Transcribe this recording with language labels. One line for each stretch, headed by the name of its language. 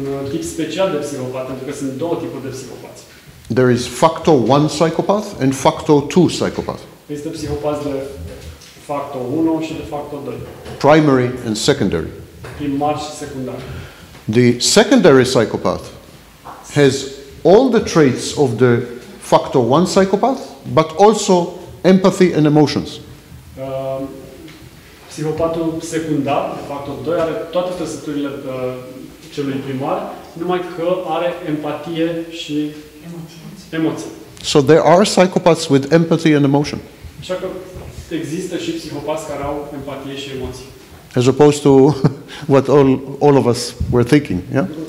Romanian: Tip special de psihopat, pentru că sunt două tipuri de psihopați.
English: There is factor 1 psychopath and factor 2 psychopath.
Romanian: Există psihopați de factor 1 și de factor 2.
English: Primary and secondary.
Romanian: Primar și secundar.
English: The secondary psychopath has all the traits of the factor 1 psychopath, but also empathy and emotions.
Romanian: Psihopatul secundar, de factor 2, are toate trăsăturile de celui primar, numai că are empatie și emoții.
English: So there are psychopaths with empathy and emotion.
Romanian: Așa că există și psihopați care au empatie și emoții.
English: As opposed to what all of us were thinking, yeah?